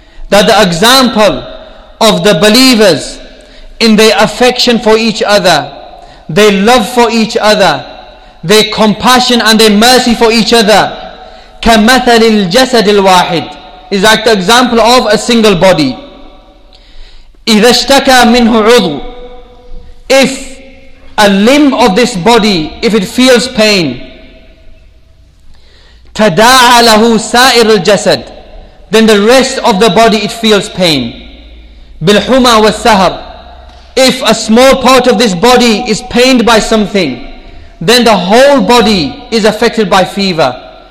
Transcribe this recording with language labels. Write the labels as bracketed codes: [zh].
[en] That the example of the believers in their affection for each other, their love for each other, their compassion and their mercy for each other, [ar] كَمَثَلِ الْجَسَدِ الْوَاحِدِ, [en] is like the example of a single body. [ar] إِذَا اشْتَكَى مِنْهُ عُضُوٌ, [en] if a limb of this body if it feels pain. [ar] تَدَاعَ لَهُ سَائِرُ الْجَسَدِ [en] Then the rest of the body it feels pain. [ar] بِالْحُمَى وَالسَّهَرِ [en] If a small part of this body is pained by something, then the whole body is affected by fever.